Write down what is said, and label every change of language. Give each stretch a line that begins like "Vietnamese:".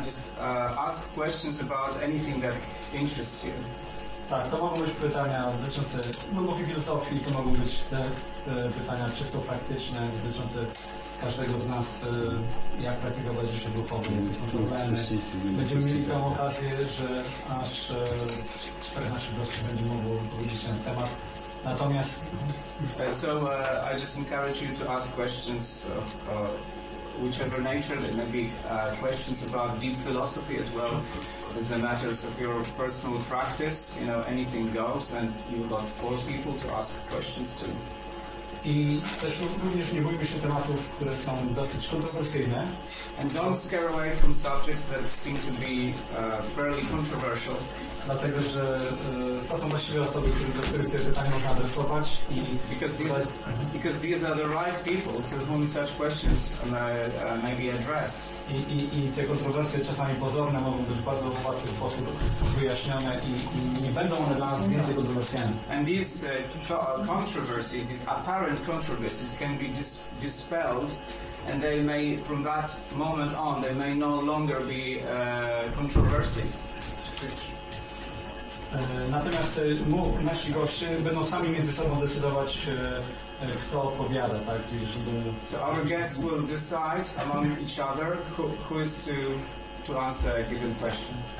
English: Just ask questions about anything that interests you.
Polish: Tak, to mogą być pytania dotyczące głębokiej filozofii, to mogą być te pytania czysto praktyczne, dotyczące każdego z nas, jak praktykować życie duchowe, jakie są problemy. Będziemy mieli tę okazję, że aż czterech naszych gości będzie mogło powiedzieć ten temat. Natomiast...
English: I just encourage you to ask questions of whichever nature, there may be questions about deep philosophy as well as the matters of your personal practice, you know, anything goes, and you've got four people to ask questions to.
Polish: I też również nie bójmy się tematów, które są dosyć kontrowersyjne.
English: And don't scare away from subjects that seem to be fairly controversial.
Polish: Dlatego, że to są właściwie osoby, które te pytania można adresować. I
English: because these are the right people to whom such questions may be addressed.
Polish: I te kontrowersje czasami pozorne mogą być w bardzo łatwy sposób wyjaśnione i nie będą one dla nas więcej kontrowersyjne.
English: And these controversies, these apparent controversies can be dispelled, and they may, from that moment on, they may no longer be controversies.
Polish: Natomiast nasi goście będą sami między sobą decydować, kto odpowiada, tak?
English: So our guests will decide among each other who is to answer a given question.